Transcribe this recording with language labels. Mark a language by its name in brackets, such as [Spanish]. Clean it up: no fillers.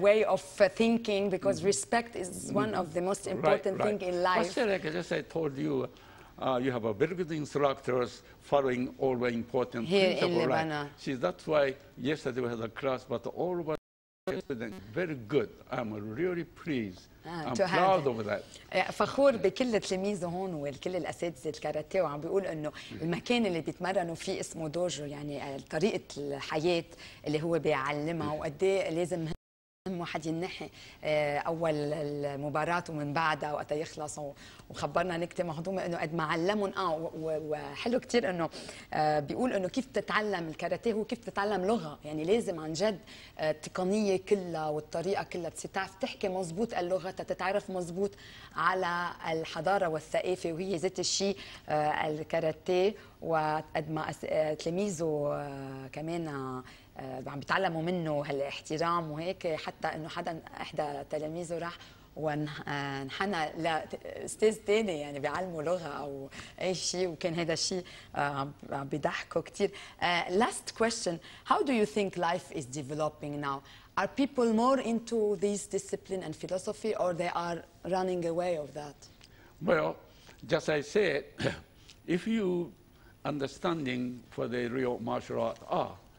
[English] way of thinking because respect is one of the most important right, thing right. in life. Actually, like I just told you, you have a very good instructors following all the important Here principle. In Lebanon. Right? See, that's why yesterday we had a class, but all of very good. I'm really pleased. Ah, I'm proud of that. [Arabic] فخور بكل التلاميذ هون وكل الأساتذة الكاراتيه وعم بيقول إنه المكان اللي بيتمرنوا فيه اسمه دوجو يعني طريقة الحياة اللي هو بيعلمها وقد ايه لازم واحد ينحي أول المباراة ومن بعدها وقتا يخلص وخبرنا نكتة مهضومة إنه قد ما علمهم وحلو كتير إنه بيقول إنه كيف تتعلم الكاراتيه هو كيف تتعلم لغة يعني لازم عن جد التقنية كلها والطريقة كلها تعرف تحكي مظبوط اللغة تتعرف مظبوط على الحضارة والثقافة وهي ذات الشيء الكاراتيه وقد ما تلاميذه كمان عم بيتعلموا منه هالاحترام وهيك حتى انه حدا احدى تلاميذه راح وانحنى لاستاذ ثاني يعني بيعلمه لغه او اي شيء وكان هذا الشيء عم بيضحكه كثير. [English] Last question, how do you think life is developing now? Are people more into this discipline and philosophy or they are running away of that? Well, just I said, if you understanding for the real martial art are,